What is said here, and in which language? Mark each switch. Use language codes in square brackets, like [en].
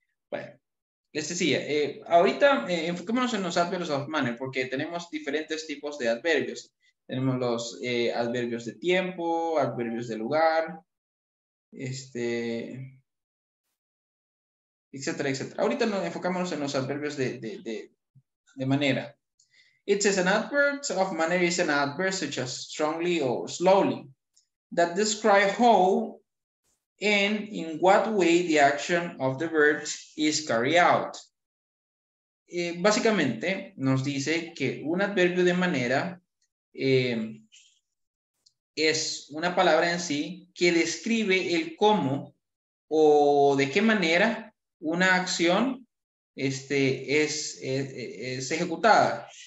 [es] Bueno, les decía, ahorita enfocémonos en los adverbios of manner, porque tenemos diferentes tipos de adverbios. Tenemos los adverbios de tiempo, adverbios de lugar, etcétera, etcétera. Ahorita nos enfocamos en los adverbios de manera. [en] It says an adverb of manner is an adverb such as strongly or slowly that describe how and in what way the action of the verb is carried out. [es] Básicamente nos dice que un adverbio de manera es una palabra en sí que describe el cómo o de qué manera una acción es ejecutada.